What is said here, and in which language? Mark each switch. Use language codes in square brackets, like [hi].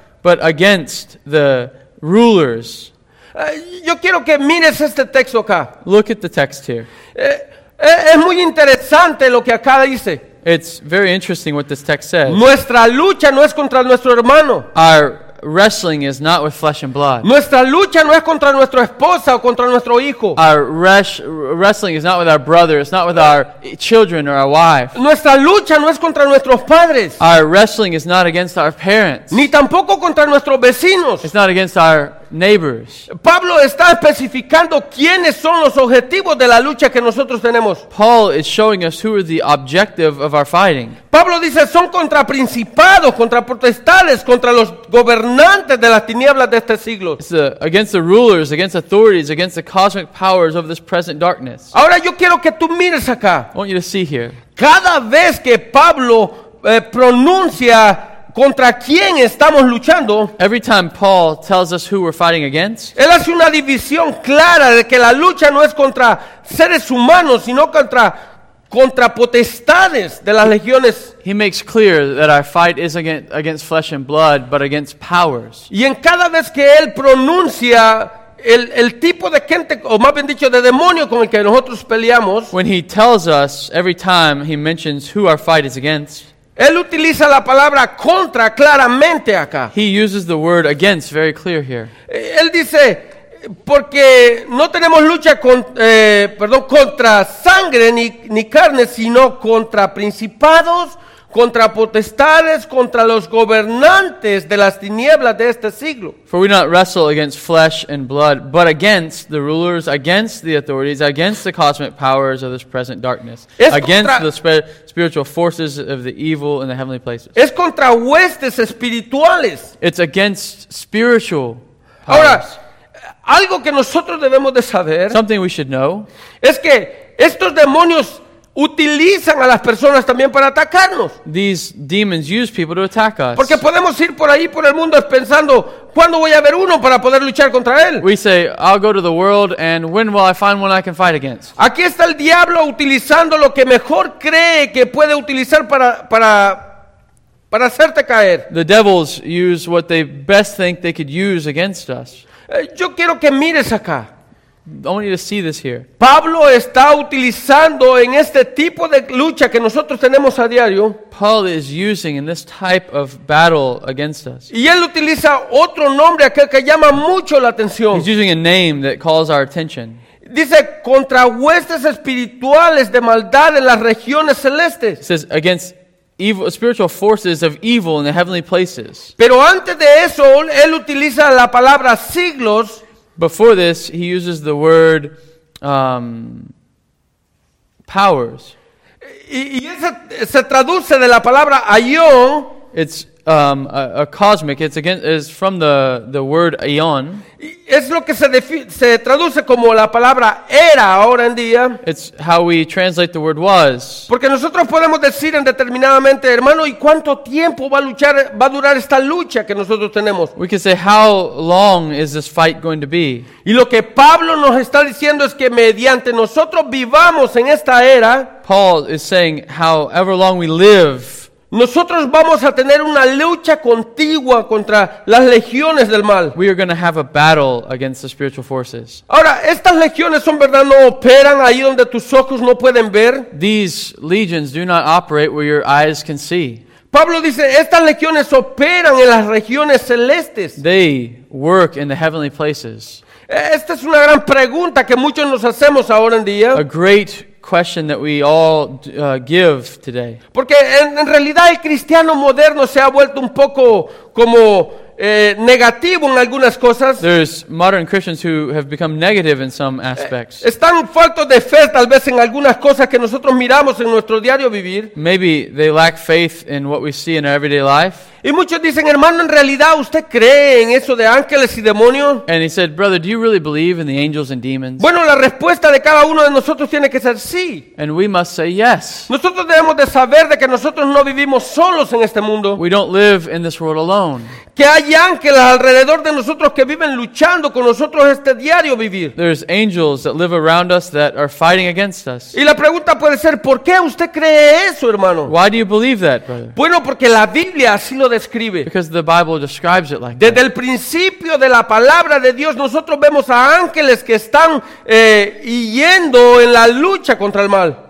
[en] but against the rulers. [es] Yo quiero que mires este texto acá. [en] Look at the text here. [es] Es muy interesante lo que acá dice. [en] It's very interesting what this text says. [es] Nuestra lucha no es contra nuestro hermano. [en] Our wrestling is not with flesh and blood. [es] Nuestra lucha no es contra nuestra esposa o contra nuestro hijo. [en] Our wrestling is not with our brother. It's not with our children or our wife. [es] Nuestra lucha no es contra nuestros padres. [en] Our wrestling is not against our parents. [es] Ni tampoco contra nuestros vecinos. [en] It's not against our neighbors. [es] Pablo está especificando quiénes son los objetivos de la lucha que nosotros tenemos. [en] Paul is showing us who are the objective of our fighting. [es] Pablo dice son contra principados, contra potestades, contra los gobernantes de las tinieblas de este siglo. [en] It's against the rulers, against authorities, against the cosmic powers of this present darkness. [es] Ahora yo quiero que tú mires acá. [en] I want you to see here. [es] Cada vez que Pablo pronuncia contra quién estamos luchando, [en] every time Paul tells us who we're fighting against, [es] él hace una división clara de que la lucha no es contra seres humanos, sino contra potestades de las legiones. [en] He makes clear that our fight is against flesh and blood, but against powers. [es] Y en cada vez que él pronuncia el tipo de gente, o más bien dicho, de demonio con el que nosotros peleamos, [en] when he tells us, every time he mentions who our fight is against, [es] él utiliza la palabra contra claramente acá. [en] He uses the word against very clear here. [es] Él dice, porque no tenemos lucha contra sangre ni carne, sino contra principados, contra potestades, contra los gobernantes de las tinieblas de este siglo. [en] For we do not wrestle against flesh and blood, but against the rulers, against the authorities, against the cosmic powers of this present darkness, spiritual forces of the evil in the heavenly places. [es] Es contra huestes espirituales. [en] It's against spiritual powers. [es] Ahora, algo que nosotros debemos de saber, [en] something we should know, [es] es que estos demonios utilizan a las personas también para atacarnos. [en] These demons use people to attack us. [es] Porque podemos ir por ahí por el mundo pensando, ¿cuándo voy a ver uno para poder luchar contra él? [en] We say, I'll go to the world and when will I find one I can fight against? [es] Aquí está el diablo utilizando lo que mejor cree que puede utilizar para hacerte caer. [en] The devils use what they best think they could use against us. [es] Yo quiero que mires acá. [en] I want you to see this here. [es] Pablo está utilizando en este tipo de lucha que nosotros tenemos a diario. [en] Paul is using in this type of battle against us. [es] Y él utiliza otro nombre que llama mucho la atención. [en] He's using a name that calls our attention. [es] Dice contra huestes espirituales de maldad en las regiones celestes. [en] It says against evil, spiritual forces of evil in the heavenly places. [es] Pero antes de eso, él utiliza la palabra siglos. [en] Before this, he uses the word powers. [es] Y eso se traduce de la palabra aion. [en] It's a cosmic. It's again is from the word aion. [es] Es lo que se traduce como la palabra era ahora en día. [en] It's how we translate the word was. [es] Porque nosotros podemos decir indeterminadamente, hermano, ¿y cuánto tiempo va a durar esta lucha que nosotros tenemos? [en] We can say, how long is this fight going to be? [es] Y lo que Pablo nos está diciendo es que mediante nosotros vivamos en esta era, [en] Paul is saying, however long we live, [es] nosotros vamos a tener una lucha contigua contra las legiones del mal. [en] We are going to have a battle against the spiritual forces. [es] Ahora, estas legiones son verdad, no operan ahí donde tus ojos no pueden ver. [en] These legions do not operate where your eyes can see. [es] Pablo dice, estas legiones operan en las regiones celestes. [en] They work in the heavenly places. [es] Esta es una gran pregunta que muchos nos hacemos ahora en día. [en] A great question that we all give today. [es] Porque en realidad el cristiano moderno se ha vuelto un poco como negativo en algunas cosas. [en] There's modern Christians who have become negative in some aspects. [es] Están faltos de fe tal vez en algunas cosas que nosotros miramos en nuestro diario vivir. [en] Maybe they lack faith in what we see in our everyday life. [es] Y muchos dicen, hermano, ¿en realidad usted cree en eso de ángeles y demonios? [en] And he said, brother, do you really believe in the angels and demons? [es] Bueno, la respuesta de cada uno de nosotros tiene que ser sí. [en] And we must say yes. [es] Nosotros debemos de saber de que nosotros no vivimos solos en este mundo. [en] We don't live in this world alone. [es] Que hay ángeles alrededor de nosotros que viven luchando con nosotros este diario vivir. [en] There's angels that live around us that are fighting against us. [es] Y la pregunta puede ser, ¿por qué usted cree eso, hermano? [en] Why do you believe that, brother? [es] Bueno, porque la Biblia así lo describe. [en] Because the Bible describes it like [es] desde [en] that. [es] El principio de la palabra de Dios nosotros vemos a ángeles que están yendo en la lucha contra el mal.